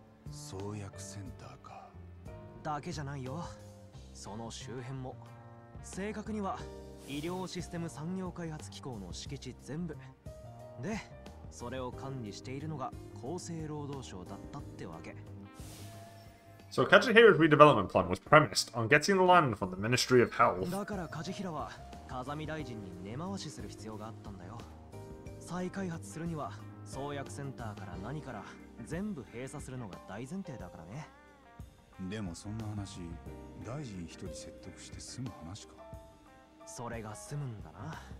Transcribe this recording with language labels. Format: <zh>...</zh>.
<ja>創薬センターか。だけじゃないよ、その周辺も。正確には医療システム産業開発機構の敷地全部で、それを管理しているのが厚生労働省だったってわけ。</ja> <en>So Kajihira's redevelopment plan was premised on getting the land from the Ministry of Health.</en> <ja>だから Kajihira は風見大臣に根回しする必要があったんだよ。再開発するには創薬センターから何から全部閉鎖するのが大前提だからね。でもそんな話、大臣一人説得して済む話か。それが済むんだな。</ja>